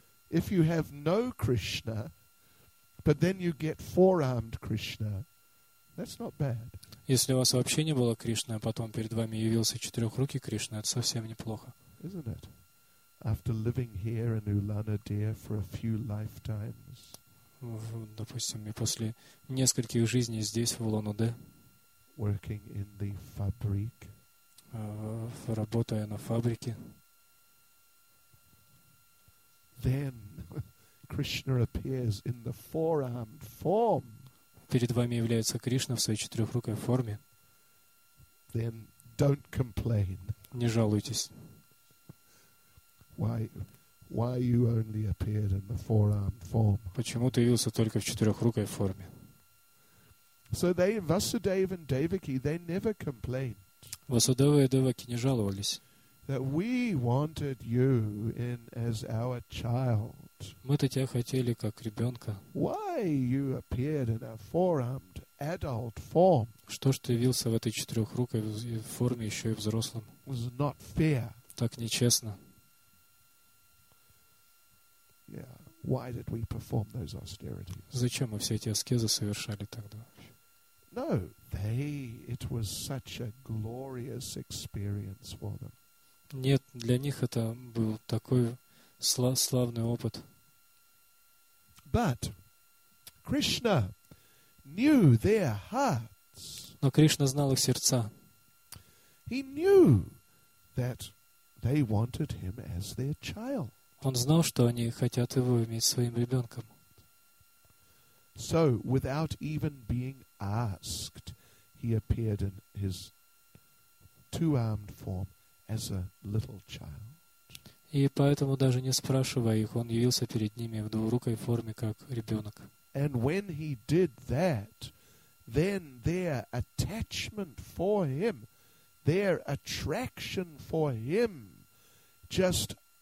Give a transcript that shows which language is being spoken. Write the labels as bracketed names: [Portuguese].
[English] If you have no Krishna, but then you get four-armed Krishna, that's not bad. [Russian] Если у вас вообще не было Кришны, а потом перед вами явился четырехрукий Кришна, это совсем неплохо. [English] Isn't it? After living here in Ulanadeer for a few lifetimes. [Russian] Допустим, и после нескольких жизней здесь, в Улан-Удэ. [English] Working in the fabric. [Russian] Работая на фабрике. [English] Then Krishna appears in the four-armed form. [Russian] Перед вами является Кришна в своей четырехрукой форме. [English] Then don't complain. [Russian] Не жалуйтесь. [English] Why you only appeared in the four-armed form? [Russian] Почему ты явился только в четырехрукой форме? [English] So they, Vasudeva and Devaki, they never complained. [Russian] Vasudeva и Devaki не жаловались. [English] That we wanted you in as our child. [Russian] Мы-то тебя хотели как ребенка. [English] Why you appeared in a four-armed adult form? [Russian] Что ж ты явился в этой четырехрукой форме еще и взрослым? [English] Was not fair. [Russian] Так нечестно. [English] Yeah. Why did we perform those austerities? [Russian] Зачем мы все эти аскезы совершали тогда? [English] No, they. It was such a glorious experience for them. [Russian] Нет, для них это был такой славный опыт. [English] But Krishna knew their hearts. [Russian] Но Кришна знал их сердца. [English] He knew that they wanted him as their child. [Russian] Он знал, что они хотят его иметь своим ребенком. [English] So, without even being asked, he appeared in his two-armed form as a little child. [Russian] И поэтому, даже не спрашивая их, он явился перед ними в двурукой форме, как ребенок. [English] And when he did that, then their attachment for him, their attraction for him, just